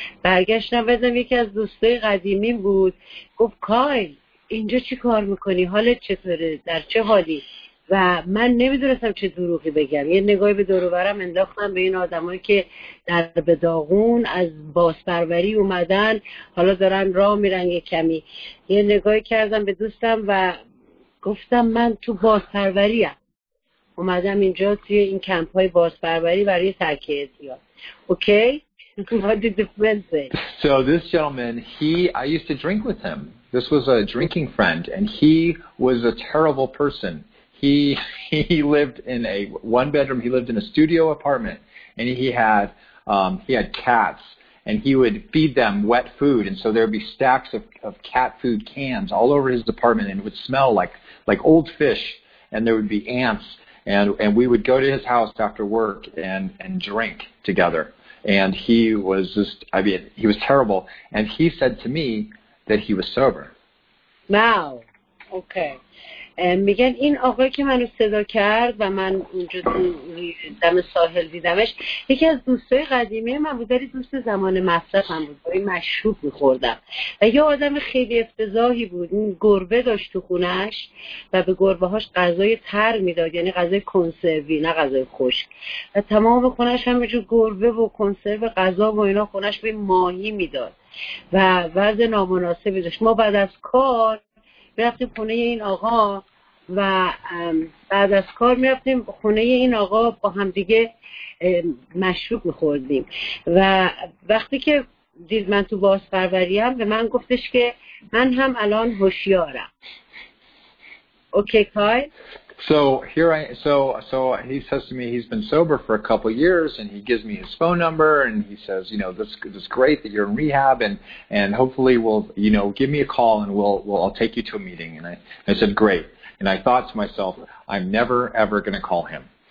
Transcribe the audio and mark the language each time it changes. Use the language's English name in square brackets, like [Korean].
[Persian] برگشتم بزنم یکی از دوستای قدیمی بود، گفت کایل اینجا چی کار میکنی؟ حالت چطوره؟ در چه حالی؟ و من نمیدونستم چه دروغی بگم، یه نگاهی به دور و برم انداختم، به این آدمایی که در به داغون از بازپروری اومدن حالا دارن راه میرن، یه کمی یه نگاهی کردم به دوستم و گفتم من تو بازپروری ام، اومدم اینجا توی این کمپ های بازپروری برای ترک اعتیاد. [English] Okay what did the friend say? So this gentleman, I used to drink with him. This was a drinking friend and he was a terrible person. He lived in a one bedroom. He lived in a studio apartment, and he had cats, and he would feed them wet food, and so there would be stacks of cat food cans all over his apartment, and it would smell like old fish, and there would be ants, and we would go to his house after work and drink together, and he was terrible, and he said to me that he was sober. Wow. Okay. [Persian] میگن این آقایی که منو صدا کرد و من اونجا دم ساحل دیدمش، یکی از دوستای قدیمی من بود، داری دوست زمان مصرفم بود، باید مشروب میخوردم و یه آدم خیلی افتضاحی بود، این گربه داشت تو خونش و به گربه هاش غذای تر میداد، یعنی غذای کنسروی نه غذای خشک، و تمام خونش هم بجور گربه و کنسرو غذا و اینا، خونش به ماهی میداد و وضع نامناسبی داشت. ما بعد از کار می‌رفتیم خونه این آقا و بعد از کار می‌رفتیم خونه این آقا با هم دیگه مشروب می‌خوردیم و وقتی که دید من تو بازپروری‌ام به من گفتش که من هم الان هوشیارم. اوکی کای؟ [English] So he says to me he's been sober for a couple of years and he gives me his phone number and he says, you know, this is great that you're in rehab and hopefully we'll, you know, give me a call and I'll take you to a meeting. And I said, great. And I thought to myself, I'm never, ever going to call him.